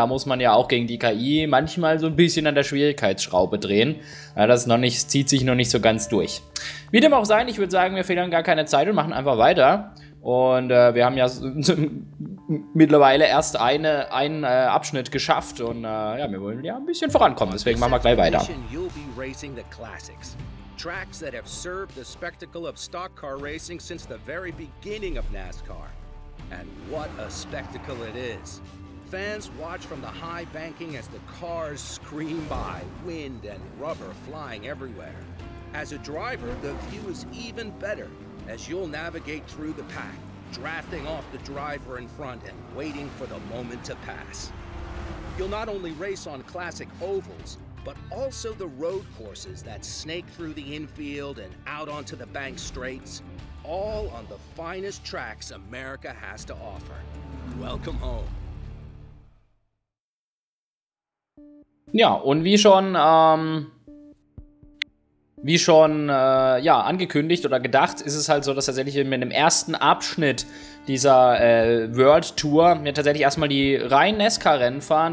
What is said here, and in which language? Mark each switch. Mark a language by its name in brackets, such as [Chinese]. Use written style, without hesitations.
[German] Da muss man ja auch gegen die KI manchmal so ein bisschen an der Schwierigkeitsschraube drehen. Das zieht sich noch nicht so ganz durch. Wie dem auch sein, ich würde sagen, wir verlieren gar keine Zeit und machen einfach weiter. Und wir haben ja mittlerweile erst einen Abschnitt geschafft. Und ja, wir wollen ja ein bisschen vorankommen. Deswegen machen wir gleich weiter. [English] You'll be racing the classics. Tracks that have served the spectacle of stock car racing since the very beginning of NASCAR. And what a spectacle it is. Fans watch from the high banking as the cars scream by, wind and rubber flying everywhere. As a driver, the view is even better as you'll navigate through the pack, drafting off the driver in front and waiting for the moment to pass. You'll not only race on classic ovals, but also the road courses that snake through the infield and out onto the bank straights, all on the finest tracks America has to offer. Welcome home. [German] Ja, und wie schon angekündigt oder gedacht, ist es halt so, dass tatsächlich mit dem ersten Abschnitt dieser World Tour mir tatsächlich erstmal die rein Nesca-Rennen fahren.